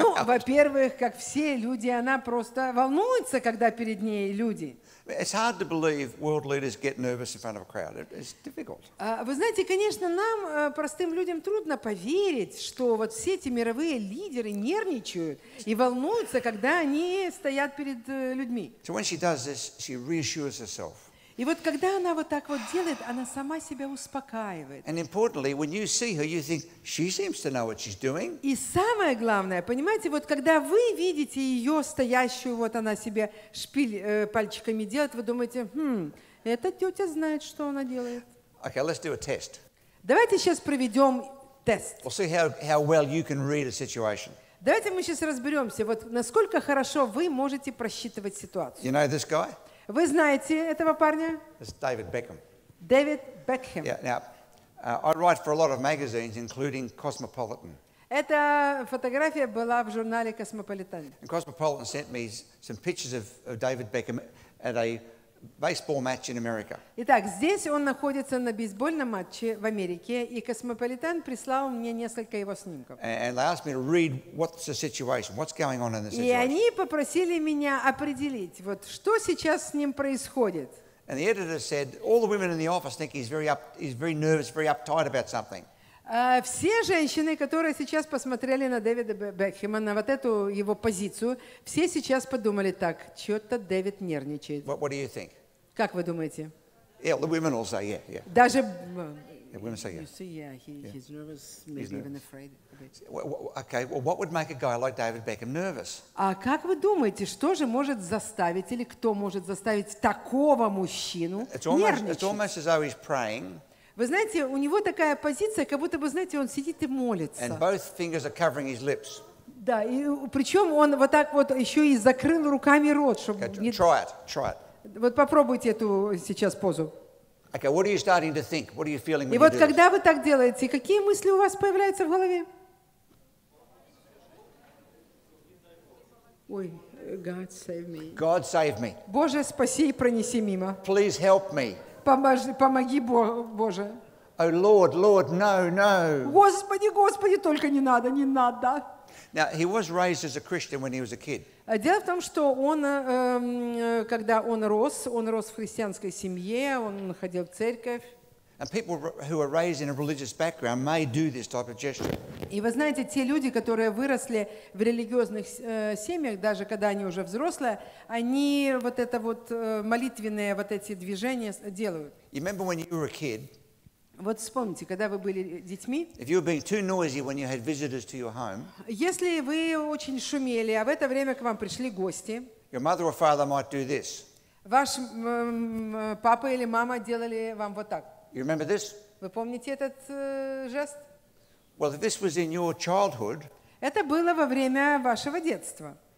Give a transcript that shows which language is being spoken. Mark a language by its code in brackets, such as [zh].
[ru] Ну, во-первых, как все люди, она просто волнуется, когда перед ней люди. [en] It's hard to believe world leaders get nervous in front of a crowd. It's difficult. [ru] Вы знаете, конечно, нам, простым людям, трудно поверить, что вот все эти мировые лидеры нервничают и волнуются, когда они стоят перед людьми. [en] So when she does this, she reassures herself. [ru] И вот когда она вот так вот делает, она сама себя успокаивает. [en] And importantly, when you see her, you think she seems to know what she's doing. [ru] И самое главное, понимаете, вот когда вы видите ее стоящую, вот она себе шпиль пальчиками делает, вы думаете, эта тетя знает, что она делает. [en] Okay, let's do a test. [ru] Давайте сейчас проведем тест. [en] We'll see how well you can read a situation. [ru] Давайте мы сейчас разберемся, вот насколько хорошо вы можете просчитывать ситуацию. [en] You know this guy? [ru] Вы знаете этого парня? [en] It's David Beckham. David Beckham. Yeah, now, I write for a lot of magazines, including Cosmopolitan. [ru] Эта фотография была в журнале Cosmopolitan. [en] And Cosmopolitan sent me some pictures of David Beckham at a baseball match in America. [ru] Итак, здесь он находится на бейсбольном матче в Америке, и Cosmopolitan прислал мне несколько его снимков. [en] And they asked me to read what's the situation, what's going on in the situation. [ru] И они попросили меня определить, вот что сейчас с ним происходит. [en] And the editor said all the women in the office think he's very nervous, very uptight about something. [ru] Все женщины, которые сейчас посмотрели на Дэвида Бекхэма, на вот эту его позицию, все сейчас подумали так: что-то Дэвид нервничает. [en] What do you think? [ru] Как вы думаете? [en] Yeah, the women all say yeah. [ru] Даже [en] women say yeah. You see, he's nervous, maybe he's even nervous. Afraid. Okay, well, what would make a guy like David Beckham nervous? [ru] А как вы думаете, что же может заставить или кто может заставить такого мужчину нервничать? [en] It's almost as though he's praying. [ru] Вы знаете, у него такая позиция, как будто бы, знаете, он сидит и молится. [en] And both fingers are covering his lips. [ru] Да, и причем он вот так вот еще и закрыл руками рот, чтобы не... [en] Try it. [ru] Вот попробуйте эту сейчас позу. [en] Okay, what are you starting to think? What are you feeling when you do this? [ru] И вот когда вы так делаете, какие мысли у вас появляются в голове? [en] Ой, God save me. God save me. [ru] Боже, спаси и пронеси мимо. [en] Please help me. [ru] Помоги, Боже. [en] Oh, Lord, no. [ru] Господи, только не надо. [en] Now, he was raised as a Christian when he was a kid. [ru] Дело в том, что он, когда он рос в христианской семье, он ходил в церковь. [en] And people who are raised in a religious background may do this type of gesture. [ru] И вы знаете, те люди, которые выросли в религиозных семьях, даже когда они уже взрослые, они вот это вот молитвенные вот эти движения делают. [en] You remember when you were a kid? [ru] Вот вспомните, когда вы были детьми. [en] If you were being too noisy when you had visitors to your home. [ru] Если вы очень шумели, а в это время к вам пришли гости. [en] Your mother or father might do this. [ru] Ваш папа или мама делали вам вот так. [en] You remember this? [ru] Вы помните этот жест? [en] Well, if this was in your childhood, [ru] это было во время вашего детства.